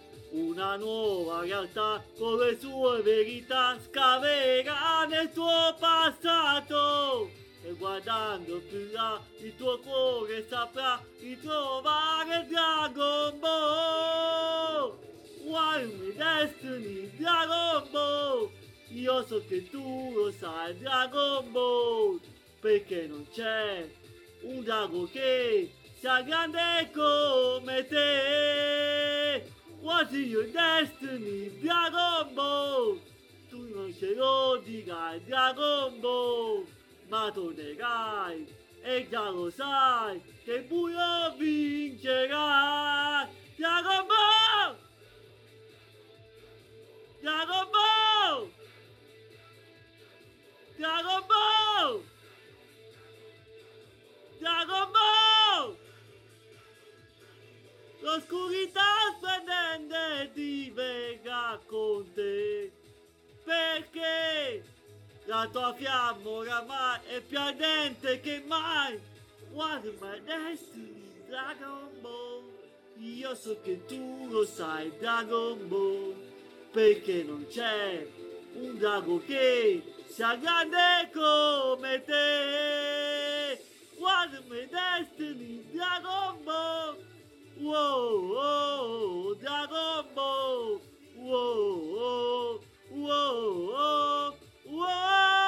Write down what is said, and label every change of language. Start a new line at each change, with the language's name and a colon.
Italian: Una nuova realtà con le sue verità scaverà nel tuo passato, e guardando più là il tuo cuore saprà ritrovare Dragon Ball. One Destiny, Dragon Ball, io so che tu lo sai, Dragon Ball, perché non c'è un drago che sia grande come te.
English: What's your destiny, Dragon Ball?
Italian: Tu non ce lo dirai, Dragon Ball, ma tornerai e già lo sai che il buio vincerà. Dragon Ball! Dragon Ball! Dragon Ball! Dragon Ball! L'oscurità splendente diverrà con te, perché la tua fiamma oramai è più ardente che mai.
English: What is my destiny, Dragon Ball?
Italian: Io so che tu lo sai, Dragon Ball, perché non c'è un drago che sia grande come te.
English: What's my destiny, Dragon Ball? Wow, oh, Dragon Ball! Wow, oh, wow, oh, wow!